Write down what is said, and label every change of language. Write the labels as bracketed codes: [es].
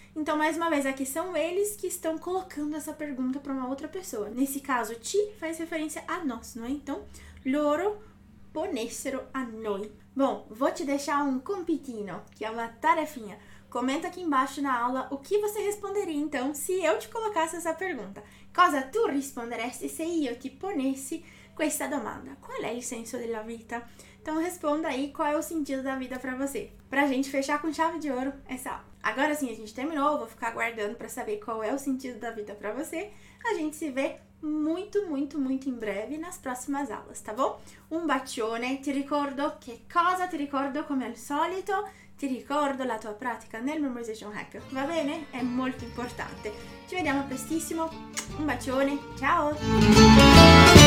[pt] Então, mais uma vez, aqui são eles que estão colocando essa pergunta para uma outra pessoa. Nesse caso, ti faz referência a nós, não é? Então, [it] loro ponessero a noi. [pt] Bom, vou te deixar um compitino, que é uma tarefinha. Comenta aqui embaixo na aula o que você responderia, então, se eu te colocasse essa pergunta. [it] Cosa tu risponderesti se io ti ponessi questa domanda? Qual è il senso della vita? [pt] Então, responda aí qual é o sentido da vida para você. Para a gente fechar com chave de ouro essa aula. Agora sim, a gente terminou. Vou ficar aguardando para saber qual é o sentido da vida para você. A gente se vê muito, muito, muito em breve nas próximas aulas, tá bom? Um bacione. [it] Ti ricordo che cosa, ti ricordo come al solito. Ti ricordo la tua pratica nel Memorization Hack. Va bene? È molto importante. Ci vediamo prestissimo. Un bacione. Ciao!